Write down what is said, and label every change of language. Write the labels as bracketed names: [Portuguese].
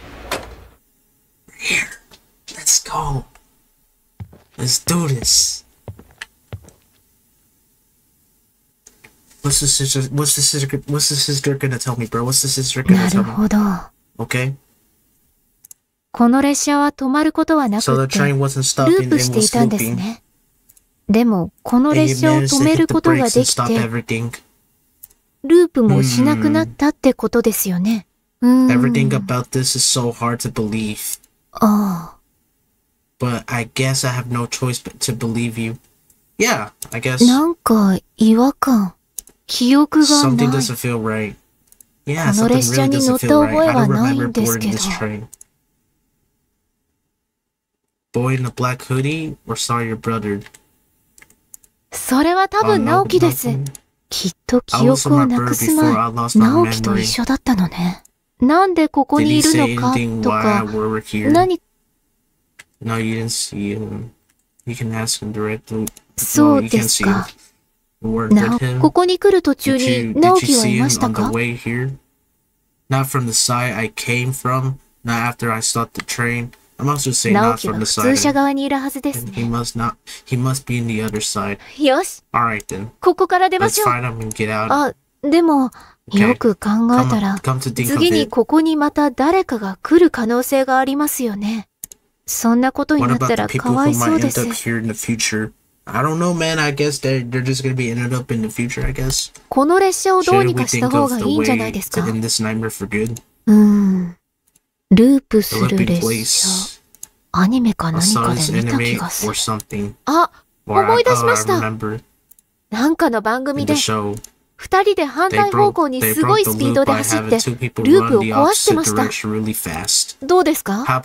[English] We're here. Let's go. Let's do this. What's the sister gonna tell me, bro? What's the sister gonna tell me? Okay. [Japanese] この列車は止まることはなくて、ループしていたんですね。でも、この列車を止めることができて、ループもしなくなったってことですよね。 [English] Everything about this is so hard to believe. ああ。 But I guess I have no choice but to believe you. Yeah, I guess. [Japanese] なんか、違和感。記憶がない。 [English] Something doesn't feel right. Yeah, [Japanese] この列車に乗った覚えはないんですけど。 [English] Boy in the black hoodie, or saw your brother? [Japanese] それは多分ナオキです。きっと記憶をなくす前、ナオキと一緒だったのね。なんでここにいるのかとか、 [English] No, you didn't see him. You can ask him directly. [Japanese] そうですか。なお、ここに来る途中にナオキはいましたか [English] ？Not from the side I came from. Not after I stopped the train. I must just say not from the side. He must be in the other side. Yes. Alright then. [Japanese] ここから出ましょう。 [English] Let's find him and get out. [Japanese] あ、でも、よく考えたら、次にここにまた誰かが来る可能性がありますよね。そんなことになったらかわいそうです。 [English] What about the people who might end up here in the future? I don't know, man. I guess they're just gonna be ended up in the future, I guess. [Japanese] この列車をどうにかした方がいいんじゃないですか。 [English] To end this nightmare for good? [Japanese] ループする列車。アニメか何かで見た気がする。あ、思い出しました。なんかの番組で、二人で反対方向にすごいスピードで走って、ループを壊してました。どうですか？